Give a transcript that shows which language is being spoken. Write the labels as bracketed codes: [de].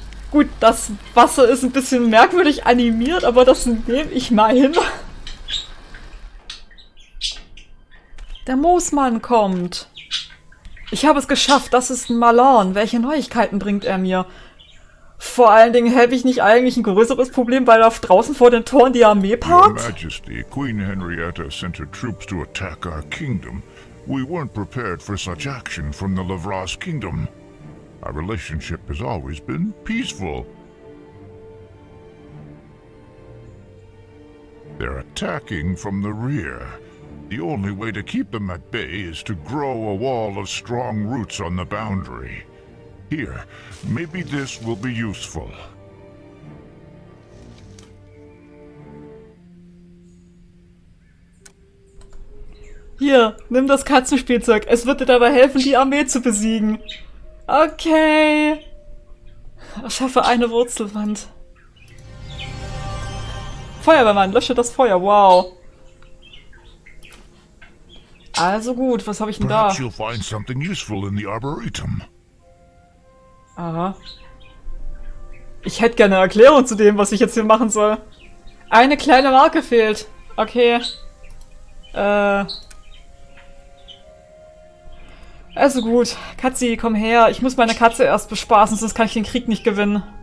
[de] Gut, das Wasser ist ein bisschen merkwürdig animiert, aber das nehme ich mal hin. Der Moosmann kommt. Ich habe es geschafft. Das ist Malorn. Welche Neuigkeiten bringt er mir? Vor allen Dingen habe ich nicht eigentlich ein größeres Problem, weil auf draußen vor den Toren die Armee parkt? [en] Your Majesty, Queen Henrietta sent her troops to attack our kingdom. We weren't prepared for such action from the Lavras Kingdom. Our relationship has always been peaceful. They're attacking from the rear. The only way to keep them at bay is to grow a wall of strong roots on the boundary. Here, maybe this will be useful. [de] Hier, nimm das Katzenspielzeug. Es wird dir dabei helfen, die Armee zu besiegen. Okay. Schaffe eine Wurzelwand. Feuerwehrmann, lösche das Feuer. Wow. Also gut, was habe ich denn da? [en] Perhaps you'll find something useful in the Arboretum. Aha. [de] Ich hätte gerne eine Erklärung zu dem, was ich jetzt hier machen soll. Eine kleine Marke fehlt. Okay. Also gut. Katzi, komm her. Ich muss meine Katze erst bespaßen, sonst kann ich den Krieg nicht gewinnen.